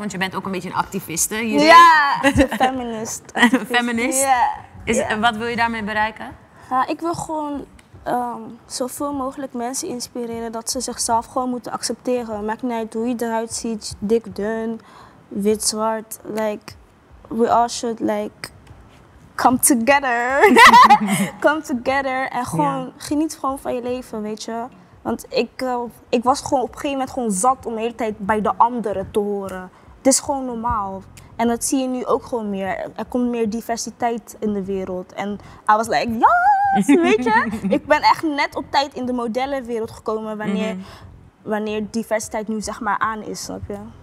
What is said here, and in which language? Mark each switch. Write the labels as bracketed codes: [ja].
[nl] Want je bent ook een beetje een activiste. Jullie? Ja, feminist. Feminist? Ja. Wat wil je daarmee bereiken? Ja, ik wil gewoon zoveel mogelijk mensen inspireren dat ze zichzelf gewoon moeten accepteren. Maakt niet uit hoe je eruit ziet, dik, dun, wit, zwart. [en] Like, we all should come together. Come together [nl] en gewoon geniet gewoon van je leven, weet je. Want ik was gewoon op een gegeven moment gewoon zat om de hele tijd bij de anderen te horen. Het is gewoon normaal. En dat zie je nu ook gewoon meer. Er komt meer diversiteit in de wereld. En [en] I was like, yes, [nl] weet je. Ik ben echt net op tijd in de modellenwereld gekomen wanneer diversiteit nu zeg maar aan is, snap je?